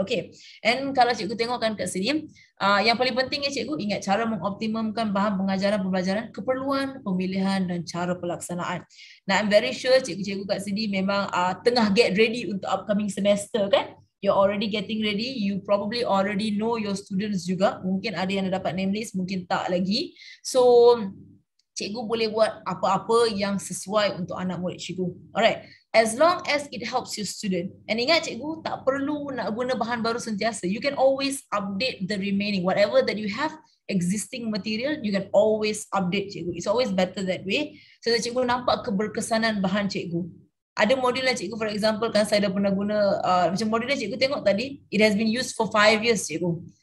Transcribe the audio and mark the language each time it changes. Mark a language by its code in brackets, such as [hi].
[ms] Okay. And kalau cikgu tengok kan kat sini, yang paling penting ya cikgu, ingat cara mengoptimumkan bahan pengajaran, pembelajaran, keperluan, pemilihan dan cara pelaksanaan. [en] Now I'm very sure [ms] cikgu-cikgu kat sini memang tengah [en] get ready untuk upcoming semester kan. You're already getting ready, you probably already know your students juga. [ms] Mungkin ada yang dah dapat name list, mungkin tak lagi. So cikgu boleh buat apa-apa yang sesuai untuk anak murid cikgu. [en] Alright. As long as it helps your student. [ms] And ingat cikgu, tak perlu nak guna bahan baru sentiasa. [en] You can always update the remaining. Whatever that you have, existing material, you can always update cikgu. It's always better that way. [ms] So that cikgu nampak keberkesanan bahan cikgu. Ada modul yang cikgu, for example, kan saya dah pernah guna, macam modul yang cikgu tengok tadi, [en] it has been used for 5 years [ms] cikgu.